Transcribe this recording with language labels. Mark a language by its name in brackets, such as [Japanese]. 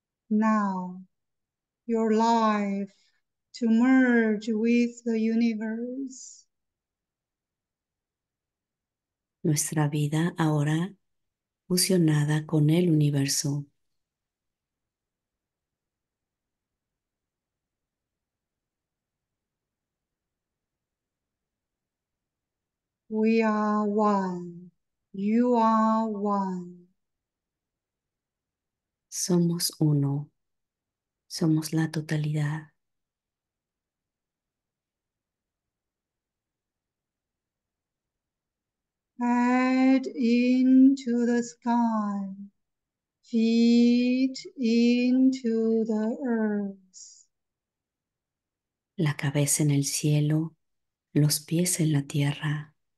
[English] Now, your life to merge with the universe. [Spanish] Nuestra vida ahora fusionada con el universo. [English] We are one. You are one. [Spanish] Somos uno. Somos la totalidad. [English] Head into the sky, feet into the earth. [Spanish] La cabeza en el cielo, los pies en la tierra.